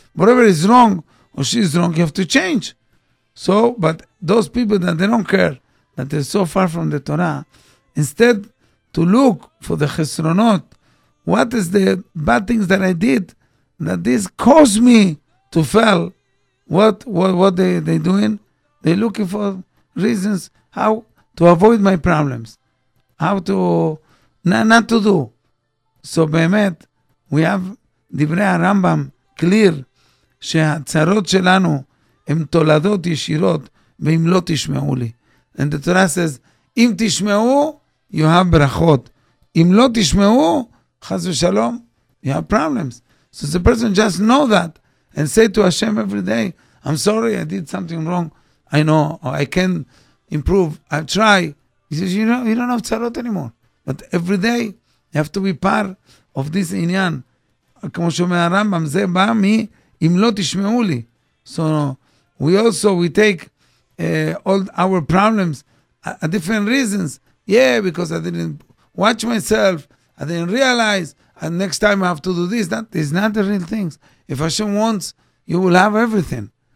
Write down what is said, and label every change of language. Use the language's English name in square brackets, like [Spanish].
[English] Whatever is wrong or she is wrong, you have to change. So, but those people that they don't care, that they're so far from the Torah, instead to look for the chesronot, what is the bad things that I did that this caused me to fail? What they doing? They're looking for reasons how to avoid my problems, how to not to do. [Hebrew] So, Be'emet, [English] we have Divrei HaRambam clear [Hebrew] שהצרות שלנו הם תולדות ישירות ואם לא תשמעו לי. [English] And the Torah says, [Hebrew] אם תשמעו, [English] you have ברכות. [Hebrew] אם לא תשמעו, חס ושלום, [English] you have problems. So the person just know that and say to Hashem every day, I'm sorry, I did something wrong. I know, or I can improve. I'll try. He says, you don't have צרות anymore. But every day, you have to be part of this עניין. [Hebrew] כמו שאומר הרמב״ם, זה בא מי, אם לא תשמעו לי. [English] So we take all our problems at different reasons. Yeah, because I didn't watch myself. I didn't realize. And next time I have to do this. That is not the real things. If Hashem wants, you will have everything.